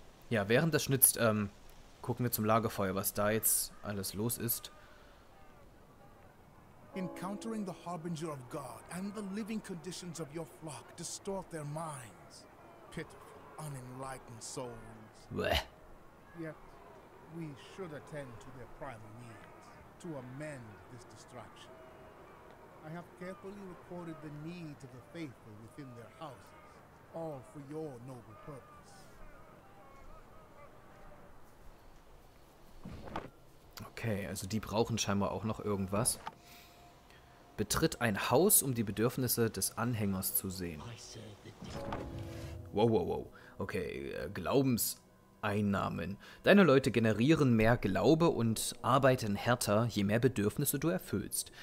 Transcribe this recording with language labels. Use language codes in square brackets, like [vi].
[de] Ja, während das schnitzt, gucken wir zum Lagerfeuer, was da jetzt alles los ist. [en] Encountering the harbinger of God and the living conditions of your flock distort their minds. pitiful, unenlightened souls. Bleh. Yet, we should attend to their primal needs, to amend this destruction. I have carefully recorded the needs of the faithful within their houses, all for your noble purpose. [de] Okay, also die brauchen scheinbar auch noch irgendwas. Betritt ein Haus, um die Bedürfnisse des Anhängers zu sehen. Wow, wow, wow. Okay, Glaubenseinnahmen. Deine Leute generieren mehr Glaube und arbeiten härter, je mehr Bedürfnisse du erfüllst.